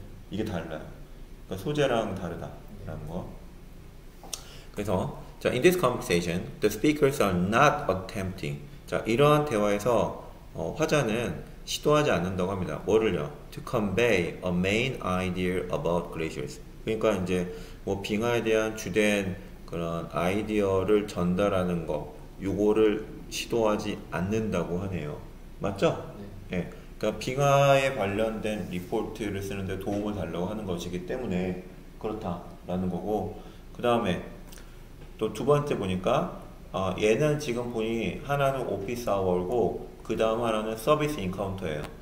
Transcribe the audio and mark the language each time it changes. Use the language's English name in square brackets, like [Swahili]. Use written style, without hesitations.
[Korean] 이게 달라요. 그러니까 소재랑 다르다라는 거. 그래서 [English] 자, in this conversation, the speakers are not attempting. [Korean] 자, 이러한 대화에서 화자는 시도하지 않는다고 합니다. 뭐를요? [English] To convey a main idea about glaciers. [Korean] 그러니까 이제 뭐 빙하에 대한 주된 그런 아이디어를 전달하는 거, 요거를 시도하지 않는다고 하네요. 맞죠? 네. 네. 그러니까 빙하에 관련된 리포트를 쓰는데 도움을 달라고 하는 것이기 때문에 그렇다라는 거고, 그 다음에 또 두 번째 보니까 얘는 지금 보니 하나는 오피스 아워고 그 다음 하나는 서비스 인카운터예요.